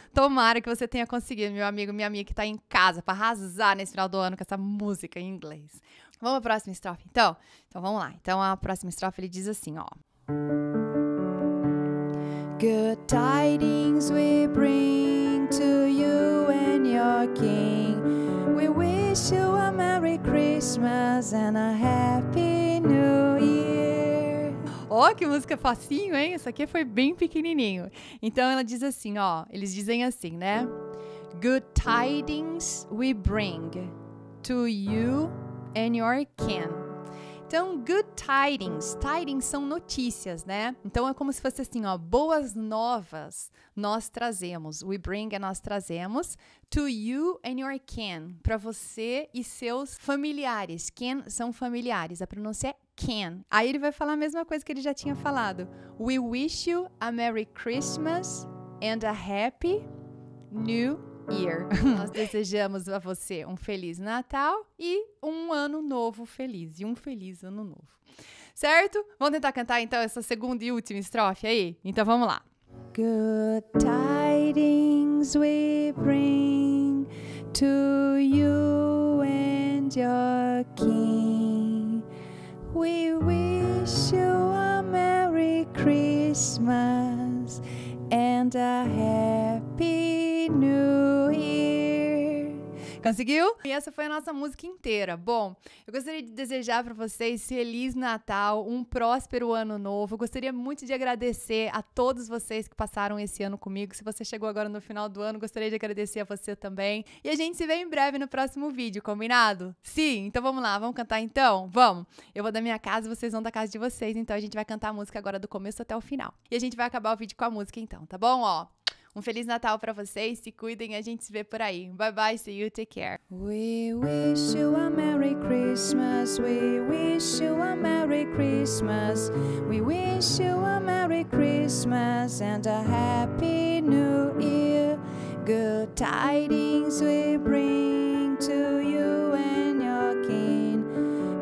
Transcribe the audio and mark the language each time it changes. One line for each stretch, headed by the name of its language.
Portuguese: Tomara que você tenha conseguido, meu amigo, minha amiga que tá em casa pra arrasar nesse final do ano com essa música em inglês. Vamos à próxima estrofe, então? Então vamos lá. Então a próxima estrofe ele diz assim, ó.
English: Good tidings we bring to you and your king. We wish you a Merry Christmas and a Happy New Year.
Portuguese: Ó, que música facinho, hein? Essa aqui foi bem pequenininho. Então ela diz assim, ó. Eles dizem assim, né?
English: Good tidings we bring to you and your kin.
Portuguese: Então, good tidings. Tidings são notícias, né? Então, é como se fosse assim, ó. Boas novas nós trazemos.
English: We bring and
Portuguese: nós trazemos.
English: To you and your kin.
Portuguese: Pra você e seus familiares. Kin são familiares. A pronúncia é kin. Aí ele vai falar a mesma coisa que ele já tinha falado.
English: We wish you a Merry Christmas and a Happy New Year.
Portuguese: Nós desejamos a você um Feliz Natal e um Ano Novo feliz. E um Feliz Ano Novo. Certo? Vamos tentar cantar então essa segunda e última estrofe aí? Então vamos lá.
English: Good tidings we bring to you and your king. We wish you a Merry Christmas and a Happy New Year.
Portuguese: Conseguiu? E essa foi a nossa música inteira. Bom, eu gostaria de desejar para vocês Feliz Natal, um próspero Ano Novo. Eu gostaria muito de agradecer a todos vocês que passaram esse ano comigo. Se você chegou agora no final do ano, gostaria de agradecer a você também. E a gente se vê em breve no próximo vídeo, combinado? Sim, então vamos lá, vamos cantar então? Vamos! Eu vou da minha casa e vocês vão da casa de vocês. Então a gente vai cantar a música agora do começo até o final. E a gente vai acabar o vídeo com a música então, tá bom? Ó. Um Feliz Natal pra vocês, se cuidem, a gente se vê por aí.
English: Bye bye, see you, take care. We wish you a Merry Christmas. We wish you a Merry Christmas. We wish you a Merry Christmas and a Happy New Year. Good tidings we bring to you and your kin.